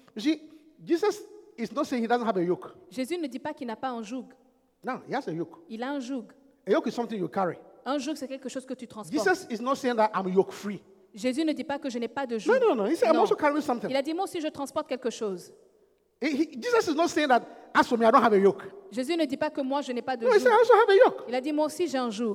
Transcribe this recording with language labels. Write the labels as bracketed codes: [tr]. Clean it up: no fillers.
[en] See, Jesus is not saying he doesn't have a yoke. [fr] Jésus ne dit pas qu'il n'a pas un joug. [en] No, he has a yoke. [fr] Il a un joug. [en] A yoke is something you carry. [fr] Un joug c'est quelque chose que tu transportes. [en] Jesus is not saying that I'm yoke free. [fr] Jésus ne dit pas que je n'ai pas de joug. [en] No. He said, non. I'm also carrying something. [fr] Il a dit moi aussi je transporte quelque chose. [en] Jesus is not saying that as for me I don't have a yoke. [fr] Jésus ne dit pas que moi je n'ai pas de [en] joug. No, he said, I also have a yoke. [fr] Il a dit moi aussi j'ai un joug.